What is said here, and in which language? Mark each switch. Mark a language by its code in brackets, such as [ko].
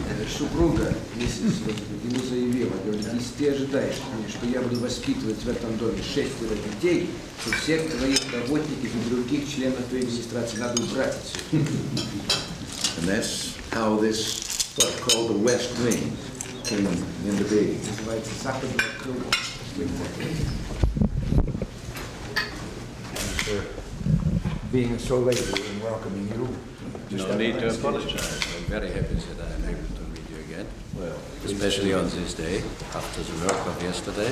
[ru] Супруга, миссис, ему заявила, говорит, если ты ожидаешь, что я буду воспитывать в этом доме 6 детей, то всех твоих работников и других членов твоей администрации надо убрать. [en] And that's how this, what's called the West Wing, came into being. [ru] Называется Западное крыло. [en] Being so late and welcoming you. Just no need to apologize. I'm very happy that I'm able to meet you again. Well, especially on this day, after the work of yesterday.